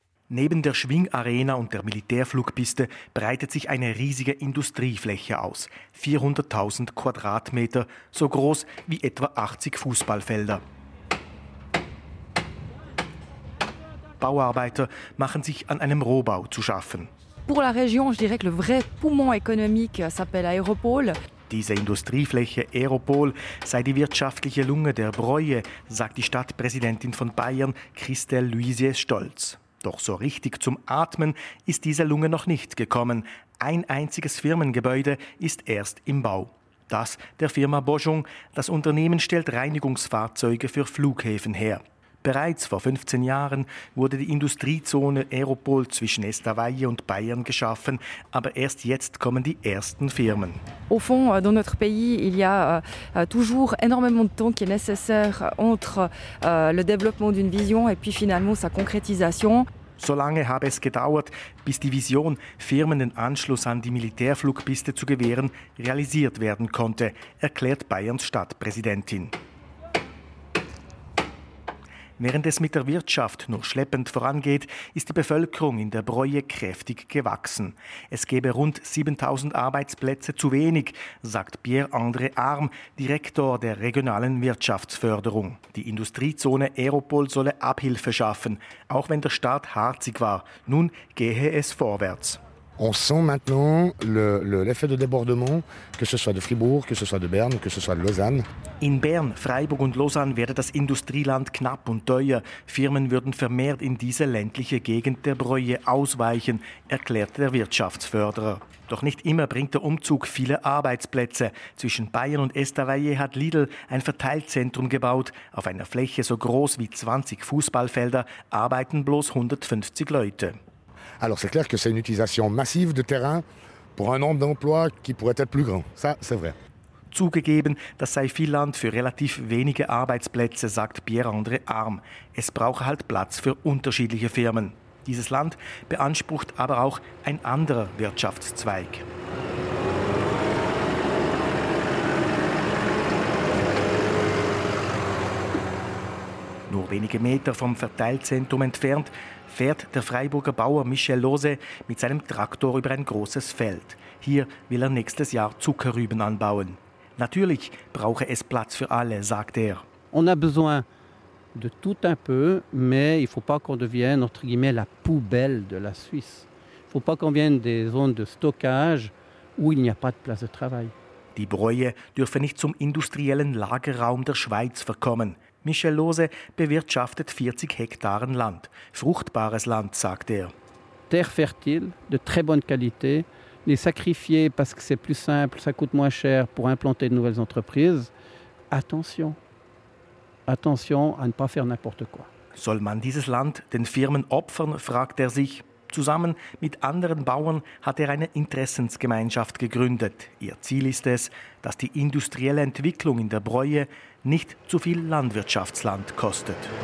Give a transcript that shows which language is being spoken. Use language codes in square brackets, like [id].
[de] Neben der Schwingarena und der Militärflugpiste breitet sich eine riesige Industriefläche aus. 400.000 Quadratmeter, so groß wie etwa 80 Fußballfelder. Bauarbeiter machen sich an einem Rohbau zu schaffen. [fr] Pour la région, je dirais que le vrai poumon économique s'appelle Aéropole. [de] Diese Industriefläche Aéropole sei die wirtschaftliche Lunge der Bräue, sagt die Stadtpräsidentin von Bayern, Christel Luise Stolz. Doch so richtig zum Atmen ist diese Lunge noch nicht gekommen. Ein einziges Firmengebäude ist erst im Bau. Das der Firma Bojong. Das Unternehmen stellt Reinigungsfahrzeuge für Flughäfen her. Bereits vor 15 Jahren wurde die Industriezone Aéropole zwischen Estavayer und Bayern geschaffen, aber erst jetzt kommen die ersten Firmen. [fr] Au fond, dans notre pays, il y a toujours énormément de temps qui est nécessaire entre le développement d'une vision et puis finalement sa concrétisation. [de] So lange habe es gedauert, bis die Vision, Firmen den Anschluss an die Militärflugpiste zu gewähren, realisiert werden konnte, erklärt Bayerns Stadtpräsidentin. Während es mit der Wirtschaft nur schleppend vorangeht, ist die Bevölkerung in der Bräue kräftig gewachsen. Es gäbe rund 7.000 Arbeitsplätze zu wenig, sagt Pierre-André Arm, Direktor der regionalen Wirtschaftsförderung. Die Industriezone Aéropole solle Abhilfe schaffen, auch wenn der Start harzig war. Nun gehe es vorwärts. [fr] On sent maintenant l'effet de débordement, que ce soit de Fribourg, que ce soit de Berne, que ce soit de Lausanne. [de] In Bern, Freiburg und Lausanne werde das Industrieland knapp und teuer. Firmen würden vermehrt in diese ländliche Gegend der Bräue ausweichen, erklärte der Wirtschaftsförderer. Doch nicht immer bringt der Umzug viele Arbeitsplätze. Zwischen Bayern und Estavayer hat Lidl ein Verteilzentrum gebaut. Auf einer Fläche so groß wie 20 Fußballfelder arbeiten bloß 150 Leute. [fr] Alors c'est clair que c'est une utilisation massive de terrain pour un nombre d'emplois qui pourrait être plus grand. Ça, c'est vrai. [de] Zugegeben, das sei viel Land für relativ wenige Arbeitsplätze, sagt Pierre-André Arm. Es brauche halt Platz für unterschiedliche Firmen. Dieses Land beansprucht aber auch ein anderer Wirtschaftszweig. Musik Nur wenige Meter vom Verteilzentrum entfernt fährt der Freiburger Bauer Michel Lose mit seinem Traktor über ein großes Feld. Hier will er nächstes Jahr Zuckerrüben anbauen. Natürlich brauche es Platz für alle, sagt er. [fr] On a besoin de tout un peu, mais il faut pas qu'on devienne entre guillemets la poubelle de la Suisse. Il faut pas qu'on vienne des zones de stockage où il n'y a pas de place de travail. [de] Die Bräue dürfe nicht zum industriellen Lagerraum der Schweiz verkommen. Michel Lose bewirtschaftet 40 Hektar Land, fruchtbares Land, sagt er. [fr] Terre fertile, de très bonne qualité. Les sacrifier parce que c'est plus simple, ça coûte moins cher pour implanter de nouvelles entreprises. Attention. Attention à ne pas faire n'importe quoi. [de] Soll man dieses Land den Firmen opfern, fragt er sich. Zusammen mit anderen Bauern hat er eine Interessensgemeinschaft gegründet. Ihr Ziel ist es, dass die industrielle Entwicklung in der Bräue nicht zu viel Landwirtschaftsland kostet.